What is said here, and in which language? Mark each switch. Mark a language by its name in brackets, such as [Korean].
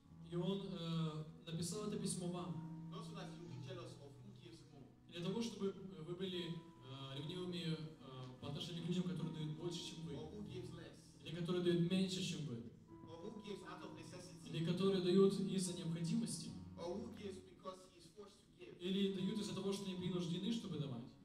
[Russian] И он написал это письмо вам. [English] Not so that you'll be jealous of who gives more. [Russian] Для того, чтобы вы были ревнивыми по отношению к людям, которые дают больше, чем вы. [English] Or who gives less. [Russian] Или которые дают меньше, чем вы. [English] Or who gives out of necessity. [Russian] Или которые дают из-за необходимости. [English] Or who gives because he is forced to give. [Russian] Или дают из-за того, что они принуждены, чтобы давать.